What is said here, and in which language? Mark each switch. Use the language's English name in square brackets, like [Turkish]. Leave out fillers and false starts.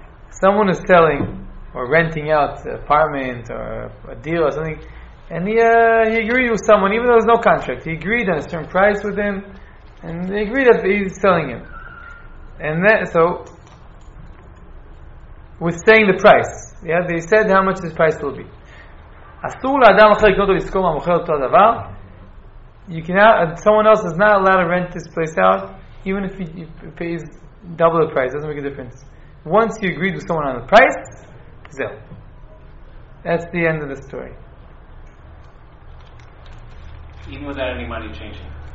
[English] Someone is selling or renting out an apartment or a deal or something, And he agreed with someone, even though there's no contract. He agreed on a certain price with him, and they agreed that he's selling him. And then, so, with saying the price, yeah, they said how much this price will be. [Hebrew] אסור לאדם אחר לקנות או לשכור מהמוכר אותו הדבר. [English] You cannot, someone else is not allowed to rent this place out, even if he pays double the price. It doesn't make a difference. Once you agreed with someone on the price, zil. That's the end of the story. Even without any money changing.